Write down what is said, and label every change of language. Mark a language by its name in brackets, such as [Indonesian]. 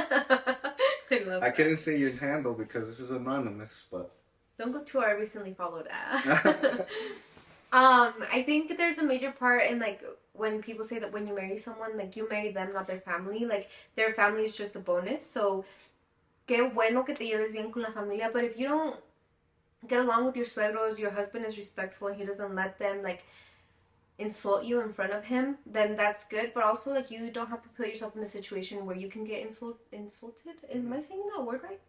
[English] I love that. Couldn't say your handle because this is anonymous, but... Don't go to our recently followed ad. I think there's a major part in, like, when people say that when you marry someone, like, you marry them, not their family. Like, their family is just a bonus. [Spanish] So, qué bueno que te lleves bien con la familia. [English] But if you don't get along with your suegros, your husband is respectful, he doesn't let them, like, insult you in front of him, then that's good. But also, like, you don't have to put yourself in a situation where you can get insulted. Mm-hmm. Am I saying that word right?